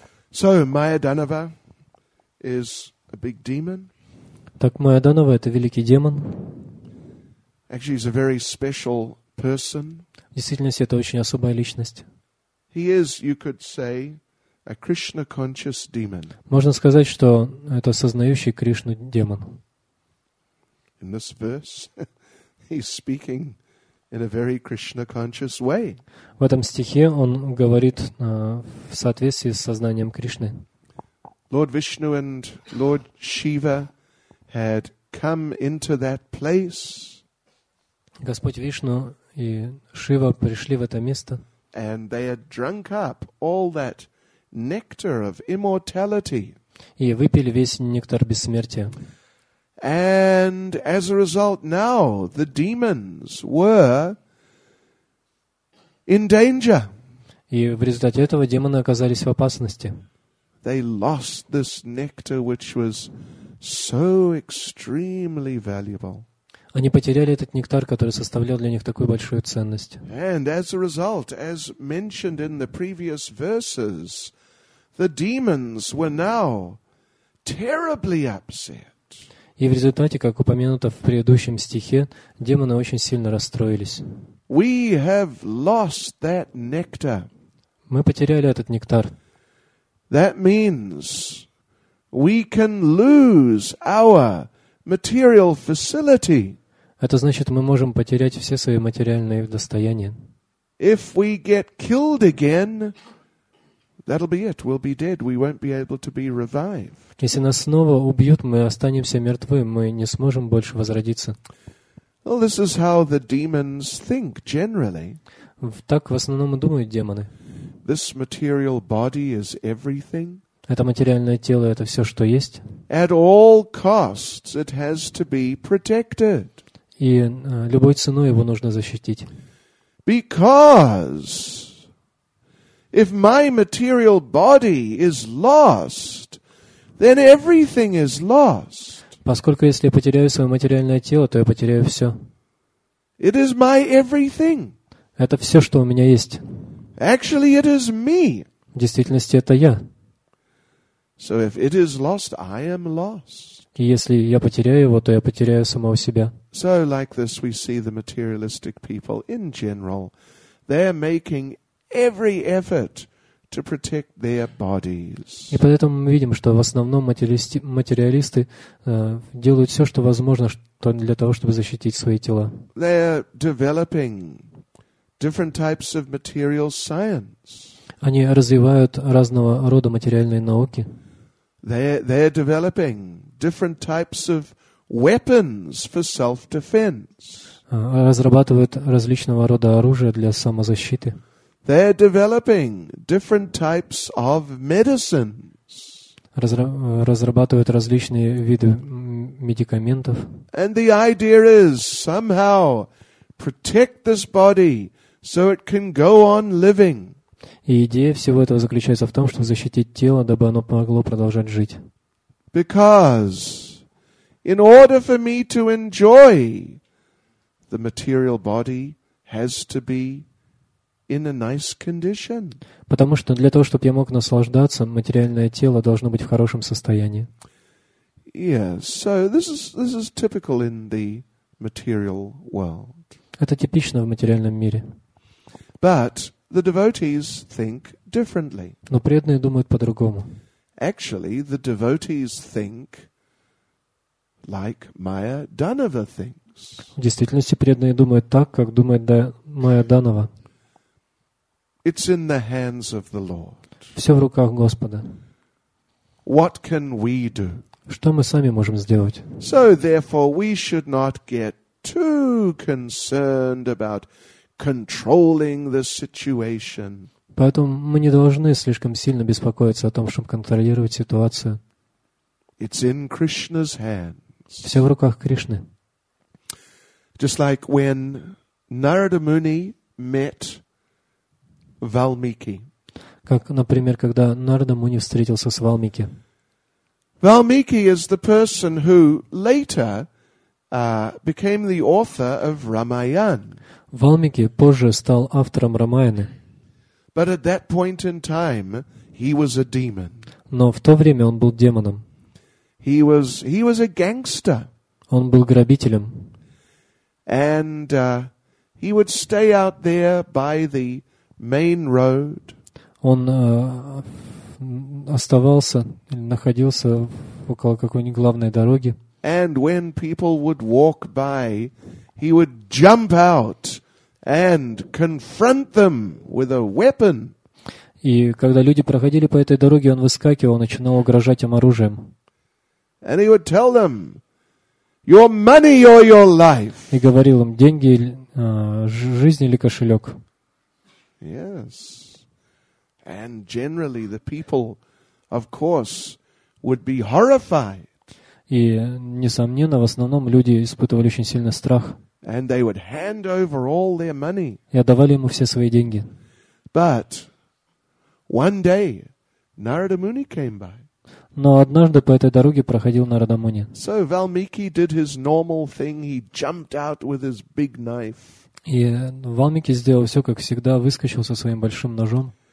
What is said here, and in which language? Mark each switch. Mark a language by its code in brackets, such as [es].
[en] So Maya Danava is a big demon. [ru] Так Майя Данава — это великий демон. [en] Actually, he's a very special person. [ru] В действительности, это очень особая личность. [en] He is, you could say, a Krishna-conscious demon. [ru] Можно сказать, что это сознающий Кришну демон. [en] In this verse, he's speaking in a very Krishna-conscious way. [ru] В этом стихе он говорит в соответствии с сознанием Кришны. [en] Lord Vishnu and Lord Shiva had come into that place. [ru] Господь Вишну и Шива пришли в это место. [en] And they had drunk up all that nectar of immortality. [ru] И выпили весь нектар бессмертия. [en] And as a result, now the demons were in danger. [ru] И в результате этого демоны оказались в опасности. [en] They lost this nectar, which was so extremely valuable. [ru] Они потеряли этот нектар, который составлял для них такую большую ценность. [en] And as a result, as mentioned in the previous verses, the demons were now terribly upset. [ru] И в результате, как упомянуто в предыдущем стихе, демоны очень сильно расстроились. [en] We have lost that nectar. [ru] Мы потеряли этот нектар. [en] That means we can lose our material facility. [ru] Это значит, мы можем потерять все свои материальные достояния. [en] If we get killed again, that'll be it. We'll be dead. We won't be able to be revived. [ru] Если нас снова убьют, мы останемся мертвы. Мы не сможем больше возродиться. [en] Well, this is how the demons think generally. [ru] Так в основном и думают демоны. [en] This material body is everything. [ru] Это материальное тело — это все, что есть. [en] At all costs, it has to be protected. [ru] И любой ценой его нужно защитить. [en] Because if my material body is lost, then everything is lost. [ru] Поскольку если я потеряю свое материальное тело, то я потеряю все. [en] It is my everything. [ru] Это все, что у меня есть. [en] Actually, it is me. [ru] В действительности, это я. [en] So if it is lost, I am lost. [ru] И если я потеряю его, то я потеряю самого себя. [en] So like this, we see the materialistic people in general. They're making every effort to protect their bodies. [ru] И поэтому мы видим, что в основном материалисты делают все, что возможно, для того, чтобы защитить свои тела. [en] They're developing different types of material science. [ru] Они развивают разного рода материальные науки. [en] They're developing different types of weapons for self-defense. [ru] Разрабатывают различного рода оружие для самозащиты. [en] They're developing different types of medicines. [ru] Разрабатывают различные виды медикаментов. [en] And the idea is somehow protect this body so it can go on living. [ru] И идея всего этого заключается в том, чтобы защитить тело, дабы оно могло продолжать жить. [en] Because in order for me to enjoy, the material body has to be in a nice condition. [ru] Потому что для того, чтобы я мог наслаждаться, материальное тело должно быть в хорошем состоянии. [en] Yes, so this is typical in the material world. [ru] Это типично в материальном мире. [en] But the devotees think differently. [ru] Но преданные думают по-другому. [en] Actually, the devotees think like Maya Danava thinks. [ru] В действительности преданные думают так, как думает Майя Данава. [en] It's in the hands of the Lord. [ru] Все в руках Господа. [en] What can we do? [ru] Что мы сами можем сделать? [en] So therefore we should not get too concerned about controlling the situation. [ru] Поэтому мы не должны слишком сильно беспокоиться о том, чтобы контролировать ситуацию. [en] It's in Krishna's hands. [ru] Все в руках Кришны. [en] Just like when Narada Muni met Valmiki. [ru] Как, например, когда Нарада Муни встретился с Валмики. [en] Valmiki is the person who later became the author of Ramayana. [ru] Валмики позже стал автором Рамаяны. [en] But at that point in time, he was a demon. [ru] Но в то время он был демоном. [en] He was a gangster. [ru] Он был грабителем. [en] And he would stay out there by the main road. [ru] Он оставался или находился около какой-нибудь главной дороги. [en] And when people would walk by, he would jump out and confront them with a weapon. [ru] И когда люди проходили по этой дороге, он выскакивал, начинал угрожать им оружием. [en] And he would tell them, "Your money or your life." [ru] И говорил им: деньги, жизнь или кошелек. [en] Yes. And generally the people, of course, would be horrified. [ru] И, несомненно, в основном люди испытывали очень сильный страх. [en] And they would hand over all their money. [ru] И отдавали ему все свои деньги. [en] But one day Narada Muni came by. [ru] Но однажды по этой дороге проходил Нарада Муни. [en] So Valmiki did his normal thing. He jumped out with his big knife. [ru] И Валмики сделал все как всегда, выскочил со своим большим ножом.